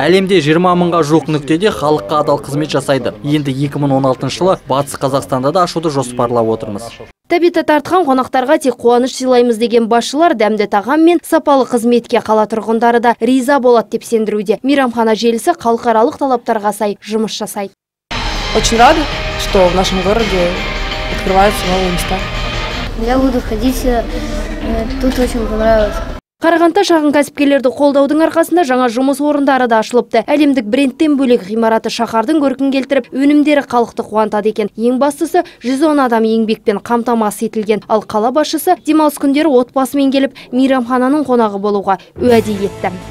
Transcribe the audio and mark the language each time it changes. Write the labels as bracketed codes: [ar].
[kk] Әлемде 20 мыңға жуық нүктеде халыққа адал қызмет жасайды. Енді 2016 жылы Батыс Қазақстанда да ашуды жоспарлап отырмыз. Тәбеті тартқан қонақтарға тек қуаныш сыйлаймыз деген басшылар дәмді тағам мен сапалы қызметке қала тұрғындары да риза болады деп сендіруде. Мейрамхана желісі халықаралық талаптарға сай жұмыс жасайды. [ru] Очень рада, что в нашем городе открываются новые места. Я буду ходить, тут очень понравилось. [kk] Қарағанда шағын кәсіпкерлерді қолдаудың арқасында жаңа жұмыс орындары да ашылыпты. Әлемдік брендтен бөлек ғимараты шаһардың көркін келтіріп, өнімдері халықты қуантады екен. Ең бастысы, 110 адам еңбекпен қамтамасыз етілген. Ал қала басшысы демалыс күндері отбасымен келіп, мейрамхананың қонағы болуға уәде етті.